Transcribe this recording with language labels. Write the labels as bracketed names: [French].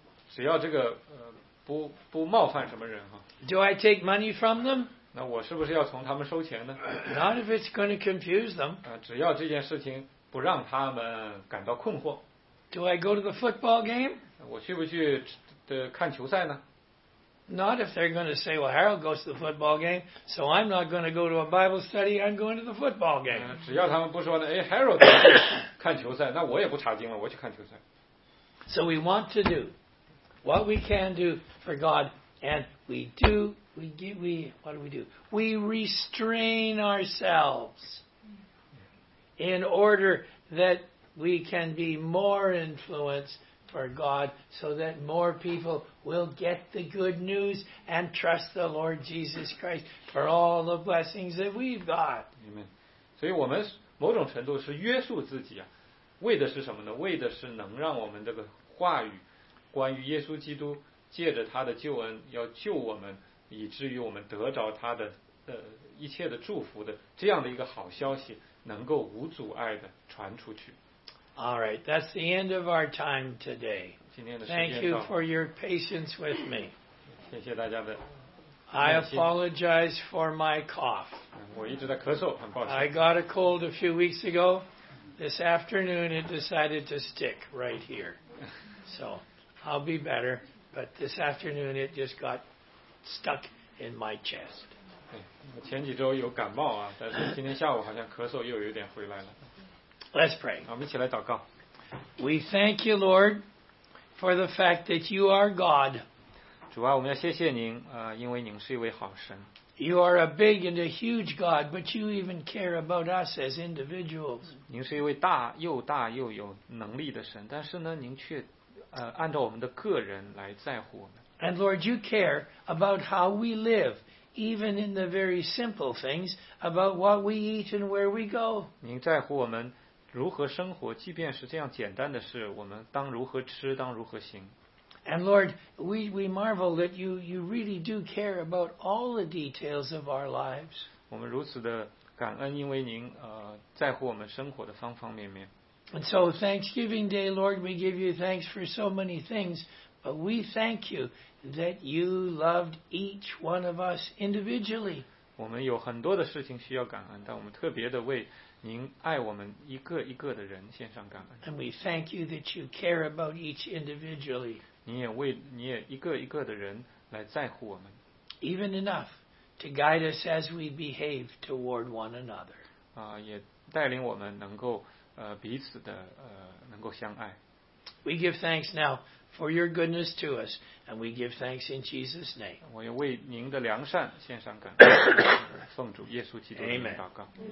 [Chinese] 只要这个不冒犯什么人哈。 [English] Do I take money from them? [Chinese] 那我是不是要从他们收钱呢？ [English] Not if it's going to confuse them. [Chinese] 只要这件事情不让他们感到困惑。 [English] Do I go to the football game? [Chinese] 我去不去的看球赛呢？ [English] Not if they're going to say, well, Harold goes to the football game, so I'm not going to go to a Bible study, I'm going to the football game. [Chinese] 只要他们不说呢，哎，Harold看球赛，那我也不查经了，我去看球赛。 [English] So we want to do what we can do for God, and we do, what do? We restrain ourselves in order that we can be more influenced for God so that more people will get the good news and trust the Lord Jesus Christ for all the blessings that we've got. Amen. [Chinese] 所以我们某种程度是约束自己啊，为的是什么呢？为的是能让我们这个话语关于耶稣基督借着他的救恩要救我们，以至于我们得着他的一切的祝福的这样的一个好消息能够无阻碍的传出去。 [English] All right, that's the end of our time today. Thank you for your patience with me. [Chinese] 谢谢大家的。 [English] I apologize for my cough. [Chinese] 我一直在咳嗽，很抱歉。 [English] I got a cold a few weeks ago. This afternoon, it decided to stick right here. So, I'll be better. But this afternoon, it just got stuck in my chest. [Chinese] 我前几周有感冒啊，但是今天下午好像咳嗽又有点回来了。 [English] Let's pray. [Chinese] 我们一起来祷告。 [English] We thank you, Lord, for the fact that you are God. [Chinese] 主啊，我们要谢谢您，因为您是一位好神。 [English] You are a big and a huge God, but you even care about us as individuals. [Chinese] 您是一位大又大又有能力的神，但是呢，您却按照我们的个人来在乎我们。 [English] And Lord, you care about how we live. Even in the very simple things about what we eat and where we go. [Chinese] 您在乎我们如何生活，即便是这样简单的事，我们当如何吃，当如何行。 [English] And Lord, we marvel that you really do care about all the details of our lives. [Chinese] 我们如此的感恩，因为您在乎我们生活的方方面面。 [English] And so Thanksgiving Day, Lord, we give you thanks for so many things, but we thank you. That you loved each one of us individually. [Chinese] 我们有很多的事情需要感恩，但我们特别的为您爱我们一个一个的人献上感恩。 [English] And we thank you that you care about each individually. [Chinese] 你也一个一个的人来在乎我们。 [English] Even enough to guide us as we behave toward one another. [Chinese] 也带领我们能够彼此的能够相爱。 [English] We give thanks now. For your goodness to us, and we give thanks in Jesus' name. [Chinese] 我也为您的良善献上感恩，奉主耶稣基督的名祷告。